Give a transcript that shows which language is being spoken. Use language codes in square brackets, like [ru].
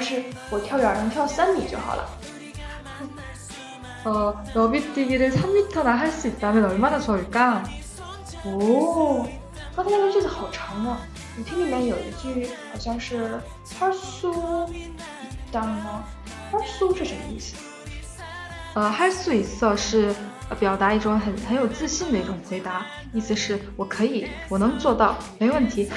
[zh] 哦，如果要是我跳远能跳3米就好了。 [ko] 러비뛰기를 3m나 할 수 있다면 얼마나 좋을까? [zh] 오, 刚才那个句子好长啊，你听里面有一句好像是 [ko] 할수있다 [zh] 吗？할수是什么意思？할수있어是表达一种很有自信的一种回答，意思是我可以，我能做到，没问题，